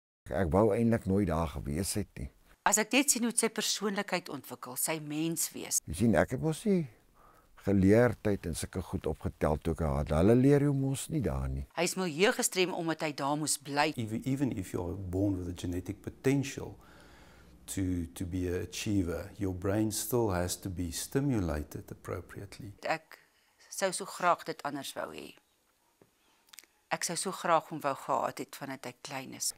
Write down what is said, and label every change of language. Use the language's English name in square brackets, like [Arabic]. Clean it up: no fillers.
[Afrikaans] Ek wou eintlik nooit daar gewees het nie. As ek net sien hoe sy persoonlikheid ontwikkel, sy mens wees. Jy sien, ek het mos nie geleerdheid en sulke goed opgetel toe ek haar. Hulle leer jou mos nie daar nie. Hy is milieu gestrem omdat hy daar moes bly. [English] Even if you are born with a genetic potential to be an achiever, your brain still has to be stimulated appropriately. [Afrikaans] Ek sou so graag dit anders wou hê. Ek sou so graag hom wou gehad het vandat hy klein is.